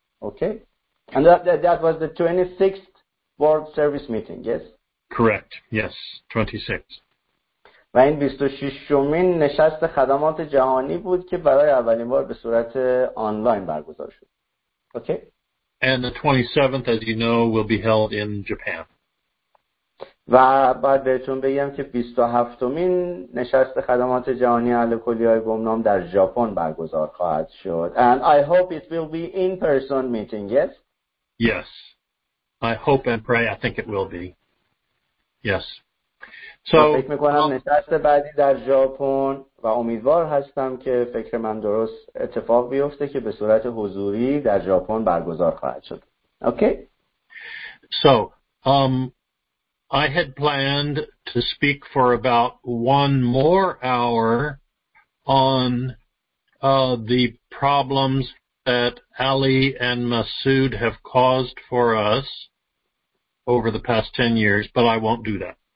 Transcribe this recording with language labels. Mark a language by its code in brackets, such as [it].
[en] Okay. And that was the 26th World Service Meeting, yes? Correct. Yes, 26th. [fa] و این 26th نشست خدمات جهانی بود که برای اولین بار به صورت آنلاین برگزار شد. [en] Okay. And the 27th, as you know, will be held in Japan. [fa] و بعد بهتون بگم که 27th نشست خدمات جهانی الکلی‌های گمنام در ژاپن برگزار خواهد شد. [en] And I hope it will be in-person meeting, yes? Yes. I hope and pray, I think it will be. Yes. So, [fa] فکر میکنم نشست بعدی در ژاپن و امیدوار هستم که فکر من درست اتفاق بیفته که به صورت حضوری در ژاپن برگزار خواهد شد. [en] Okay? So, I had planned to speak for about one more hour on the problems that Ali and Masood have caused for us over the past 10 years, but I won't do that.